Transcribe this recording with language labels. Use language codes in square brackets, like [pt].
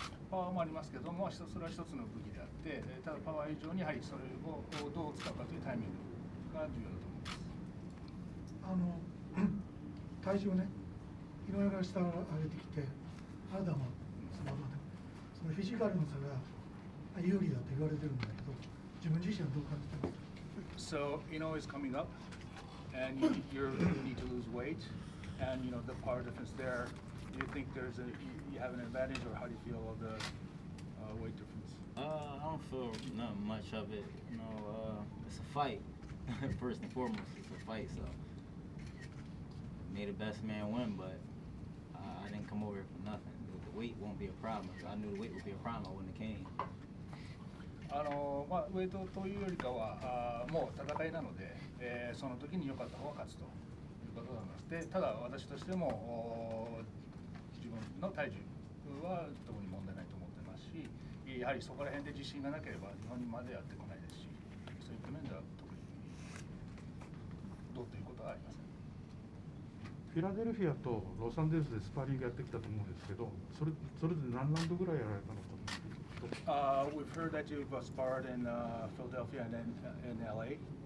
[ja] パワーもありますけども、それは一つの武器であって、ただパワー以上にはい、それをどう使うかというタイミングが重要だと思います。あの体重ね、いろいろ下を上げてきて、体もそのフィジカルの差が有利だと言われてるんだけど、自分自身はどう感じてますか [en] ？So Inoue is coming up, and you need to lose weight, and you know the power difference there. Do you think there's you have an advantage, or how do you feel of the weight difference? I don't feel not much of it. You know, it's a fight. First and foremost, it's a fight. So, may the best man win, but I didn't come over here for nothing. The weight won't be a problem. If I knew the weight would be a problem, I wouldn't have came. [ja] まあ、ウェイトというよりかは、もう戦いなので、その時に良かった方が勝つということだと思います。で、ただ私としても、自分の体重は特に問題ないと思ってますし、やはりそこら辺で自信がなければ日本にまでやってこないですし、そういった面では特にどうということはありません。フィラデルフィアとロサンゼルスでスパーリングやってきたと思うんですけど、それで何ラウンドぐらいやられたのかと思って [en] We've heard that you've sparred in Philadelphia and then in LA.